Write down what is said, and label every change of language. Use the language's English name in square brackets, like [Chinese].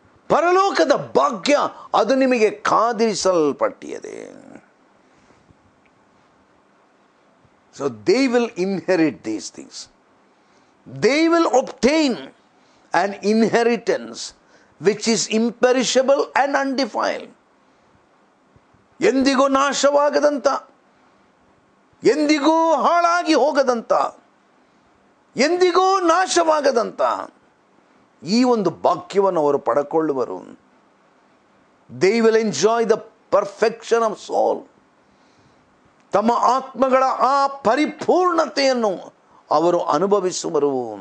[Kannada] ಪರಲೋಕದ ಭಾಗ್ಯ ಅದು ನಿಮಗೆ ಕಾದಿರಿಸಲ್ಪಟ್ಟಿಯದೆ. [English] So they will inherit these things, they will obtain an inheritance which is imperishable and undefiled. [Kannada] ಎಂದಿಗೂ ನಾಶವಾಗದಂಥ, ಎಂದಿಗೂ ಹಾಳಾಗಿ ಹೋಗದಂಥ, ಎಂದಿಗೂ ನಾಶವಾಗದಂಥ ಈ ಒಂದು ಭಾಗ್ಯವನ್ನು ಅವರು ಪಡ್ಕೊಳ್ಳುವರು. [English] They will enjoy the perfection of soul. [Kannada] ತಮ್ಮ ಆತ್ಮಗಳ ಆ ಪರಿಪೂರ್ಣತೆಯನ್ನು ಅವರು ಅನುಭವಿಸುವರು.